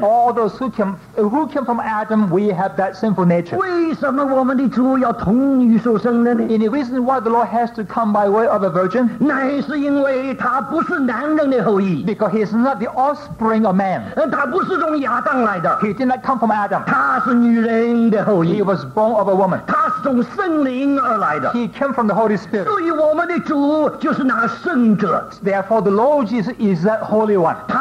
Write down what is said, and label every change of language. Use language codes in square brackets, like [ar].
[en] all those who came from Adam, we have that sinful nature. [zh] 为什么我们的主要童女所生的呢? [en] Any reason why the Lord has to come by way of a virgin? [zh] 乃是因为他不是男人的后裔, [en] because he is not the offspring of man. [zh] 他不是从亚当来的, [en] he did not come from Adam. [zh] 他是女人的后裔, [en] he was born of a woman. [zh] 他是从圣灵而来的, [en] he came from the Holy Spirit. [zh] 所以我们的主就是那圣者, [en] therefore the Lord Jesus is that Holy One.